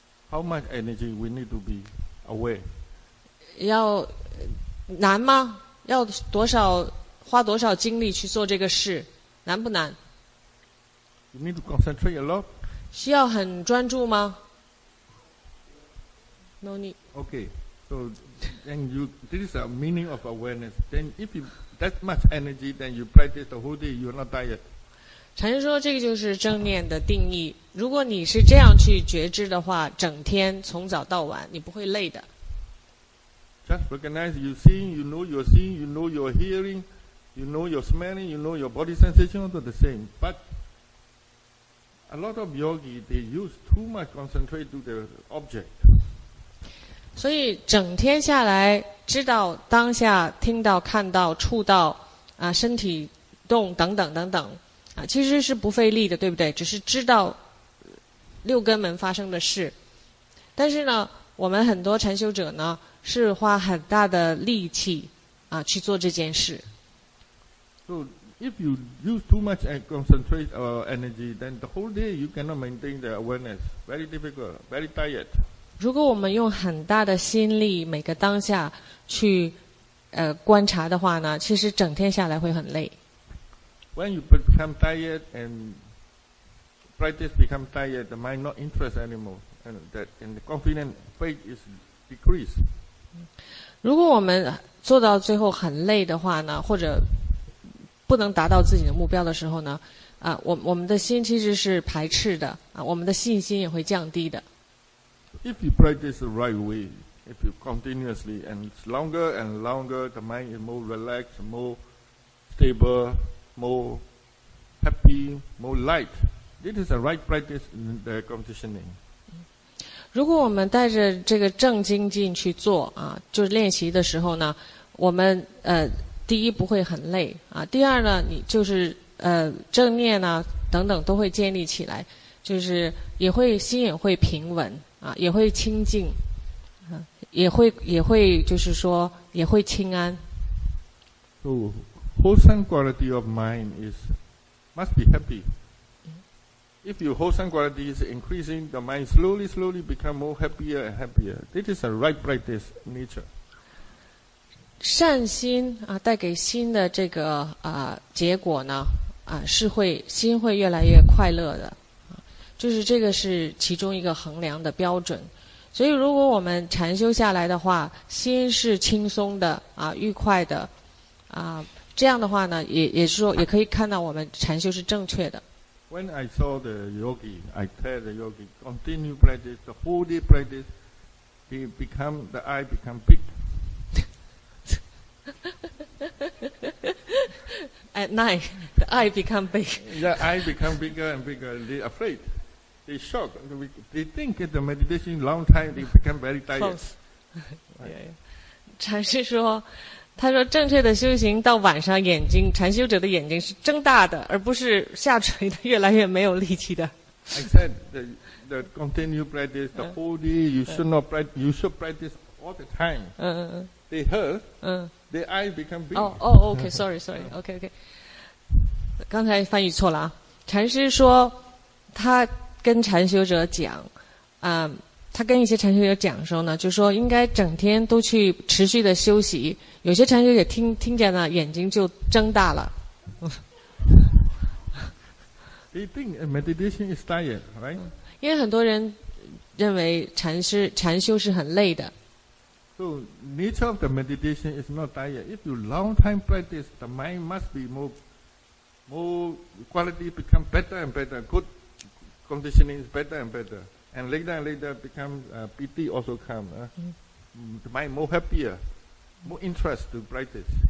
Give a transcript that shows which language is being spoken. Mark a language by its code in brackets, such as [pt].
[en] How much energy we need to be aware? [zh] 要难吗？要多少花多少精力去做这个事？难不难 [en] ？You need to concentrate a lot. [zh] 需要很专注吗 ？ [en] No need. Okay, so then you this is a meaning of awareness. Then if you that much energy, then you practice the whole day, you are not tired. [zh] 禅师说这个就是正念的定义，如果你是这样去觉知的话，整天从早到晚你不会累的。 [en] Just recognize you seeing, you know you're seeing, you know you're hearing, you know you're smelling, you know your body sensation are the same. But a lot of yogi, they use too much concentrate to the object. [zh] 所以整天下来知道当下听到看到触到啊身体动等等等等啊其实是不费力的对不对只是知道六根门发生的事但是呢我们很多禅修者呢是花很大的力气啊去做这件事 [en] So if you use too much concentrate or energy then the whole day you cannot maintain the awareness very difficult very tired [zh] 如果我们用很大的心力每个当下去观察的话呢其实整天下来会很累 [en] When you become tired and practice become tired the mind not interest anymore and that and the confident faith is decreased [zh] 如果我们做到最后很累的话呢或者不能达到自己的目标的时候呢我们的心其实是排斥的我们的信心也会降低的 [en] If you practice the right way, if you continuously and it's longer and longer, the mind is more relaxed, more stable, more happy, more light. This is the right practice in the conditioning. [zh] 如果我们带着这个正精进去做啊，就是练习的时候呢，我们第一不会很累啊，第二呢，你就是正念呢等等都会建立起来，就是也会心也会平稳。啊，也会清静，也会就是说也会清安。 [en] So wholesome quality of mind is must be happy. If your wholesome quality is increasing, the mind slowly, slowly become more happier and happier. This is a right practice nature. [zh] 善心啊，带给心的这个结果呢是会心会越来越快乐的。就是这个是其中一个衡量的标准，所以如果我们禅修下来的话，心是轻松的啊，愉快的啊，这样的话呢，也是说也可以看到我们禅修是正确的。 [en] When I saw the yogi, I tell the yogi continue practice, the whole day practice, he become the eye become big. At night, the eye become big. Yeah, eye become bigger and bigger. They afraid. They shocked. They think the meditation long time, they become very tired. [zh] 禅师说，他说正确的修行到晚上眼睛禅修者的眼睛是睁大的而不是下垂的越来越没有力气的 [en] I said the continued practice the whole day you should not practice you should practice all the time they hurt the eye become big [zh] okay 刚才翻译错了啊禅师说他跟禅修者讲他跟一些禅修者讲的时候呢就说应该整天都去持续的休息有些禅修者听见了眼睛就睁大了 [en] He think meditation is tired, right? [zh] 因为很多人认为禅修是很累的 [en] So nature of the meditation is not tired If you long time practice the mind must be more quality become better and better good conditioning is better and betterAnd later become PT also come. The mind more happier, more interest to practice.